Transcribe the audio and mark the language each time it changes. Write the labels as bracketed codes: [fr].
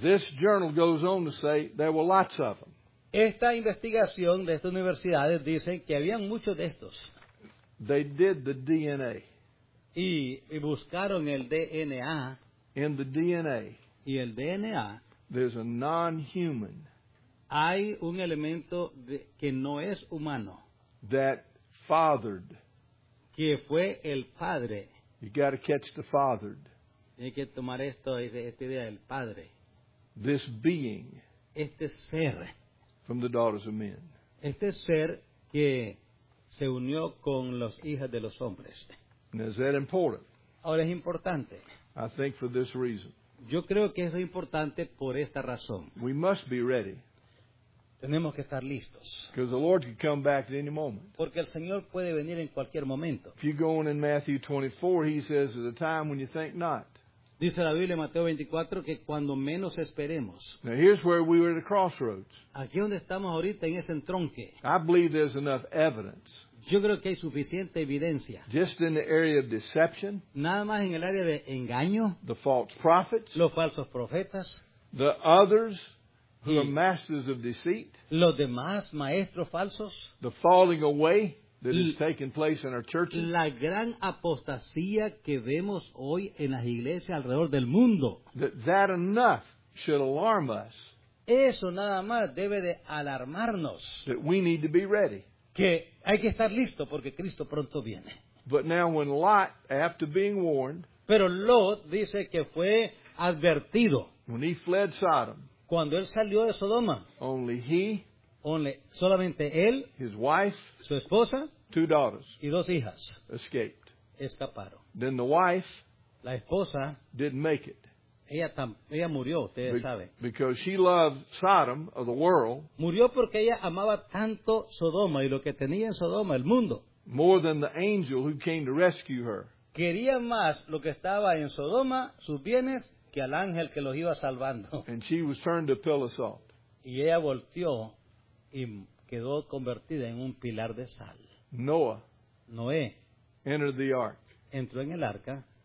[en] This journal goes on to say there were lots of them. [es] Esta investigación de estas universidades dice que habían muchos de estos. [en] They did the DNA. [es] Y buscaron el DNA. [en] In the DNA. [es] Y el DNA. [en] There's a non-human. [es] Hay un elemento que no es humano. [en] That fathered. [es] Que fue el padre. [en] You got to catch the fathered. [es] Tiene que tomar esto, esta idea del padre. [en] This being. [es] Este ser. [en] From the daughters of men. [es] Este ser que se unió con las hijas de los hombres. [en] And is that important? [es] Ahora es importante. [en] I think for this reason. [es] Yo creo que eso es importante por esta razón. [en] We must be ready. [es] Tenemos que estar listos. [en] Because the Lord could come back at any moment. [es] Porque el Señor puede venir en cualquier momento. [en] If you go on in Matthew 24, he says, at a time when you think not. [es] Dice la Biblia en Mateo 24 que cuando menos esperemos. [en] Now here's where we were at a crossroads. [es] Aquí donde estamos ahorita en ese entronque. [en] I believe there's enough evidence. [es] Yo creo que hay suficiente evidencia. [en] Just in the area of deception. [es] Nada más en el área de engaño. [en] The false prophets. [es] Los falsos profetas. [en] The others who are masters of deceit. [es] Los demás maestros falsos. [en] The falling away that is taking place in our churches. [es] La gran apostasía que vemos hoy en las iglesias alrededor del mundo. [en] That enough should alarm us. [es] Eso nada más debe de alarmarnos. [en] That we need to be ready. [es] Que hay que estar listo porque Cristo pronto viene. [en] But now when Lot, after being warned, [es] pero Lot dice que fue advertido. [en] When he fled Sodom, [es] cuando él salió de Sodoma, [en] only he, only, [es] solamente él, [en] his wife, [es] su esposa, [en] two daughters, [es] y dos hijas, [en] escaped. [es] Escaparon. [en] Then the wife, [es] la esposa, [en] didn't make it. [es] Ella murió, ustedes saben. [en] Because she loved Sodom or the world. [es] Murió porque ella amaba tanto Sodoma y lo que tenía en Sodoma, el mundo. [en] More than the angel who came to rescue her. [es] Quería más lo que estaba en Sodoma, sus bienes, que al ángel que los iba salvando. [en] And she was turned to pillar salt. [es] Y ella volteó y quedó convertida en un pilar de sal. [en] Noah. [es] Noé. [en] Entered the ark. [es] Entró en el arca.